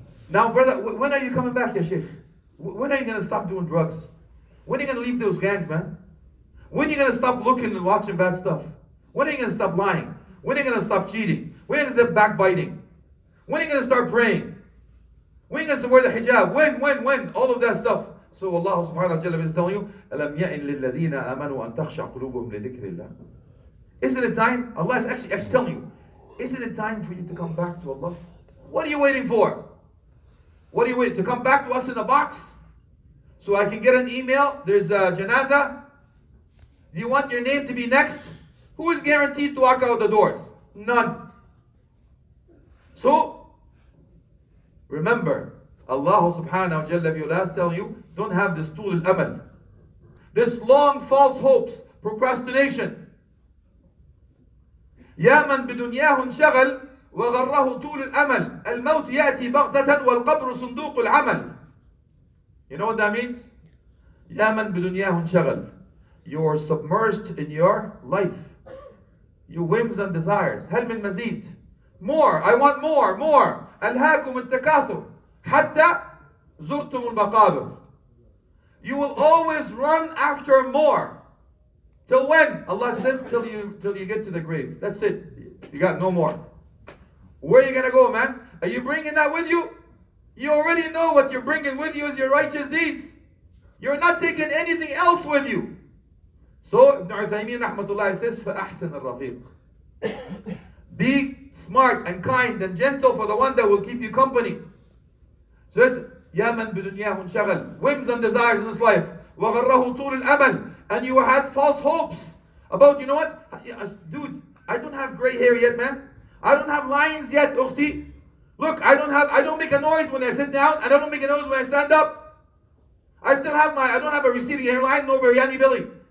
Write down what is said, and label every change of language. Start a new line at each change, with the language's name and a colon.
English: Now, brother, when are you coming back, ya Sheikh? When are you going to stop doing drugs? When are you going to leave those gangs, man? When are you going to stop looking and watching bad stuff? When are you going to stop lying? When are you going to stop cheating? When are you going to stop backbiting? When are you going to start praying? When are you going to wear the hijab? When? All of that stuff. So Allah subhanahu wa ta'ala is telling you,
Arabic: أَلَمْ يَئِنْ لِلَّذِينَ آمَنُوا أَنْ تَخْشَعْ قُلُوبُهُمْ لِذِكْرِ اللَّهِ.
English: Isn't it time? Allah is actually telling you. Isn't it time for you to come back to Allah? What are you waiting for? What are you waiting to come back to us in a box? So I can get an email. There's a janazah. Do you want your name to be next? Who is guaranteed to walk out the doors? None. So, remember, Allah subhanahu wa jalla bi'ula is telling you, don't have this tool al-amal. This long false hopes, procrastination.
Arabic: يا من بدنياه انشغل وغره طول الأمل الموت يأتي بغتة والقبر صندوق العمل.
English: You know what that means?
Arabic: يا من بدنياه انشغل.
English: You are submersed in your life. Your whims and desires.
Arabic: هل من مزيد?
English: More. I want more. More.
Arabic: ألهاكم التكاثر حتى زرتم المقابر.
English: You will always run after more. Till when? Allah says, till you get to the grave. That's it. You got no more. Where are you going to go, man? Are you bringing that with you? You already know what you're bringing with you is your righteous deeds. You're not taking anything else with you. So, Ibn Uthaymeen rahmatullah says,
Arabic: فَأَحْسَنَ الرَّفِيقِ.
English: Be smart and kind and gentle for the one that will keep you company. Says,
Arabic: يَا مَنْ بِدُنْيَاهُ انْشَغَلْ.
English: Whims and desires in this life.
Arabic: وَغَرَّهُ طُولِ الْأَمَلِ.
English: And you had false hopes about, you know what? Dude, I don't have gray hair yet, man. I don't have lines yet, ukhti. Look, I don't make a noise when I sit down. I don't make a noise when I stand up. I don't have a receding hairline, no biryani belly.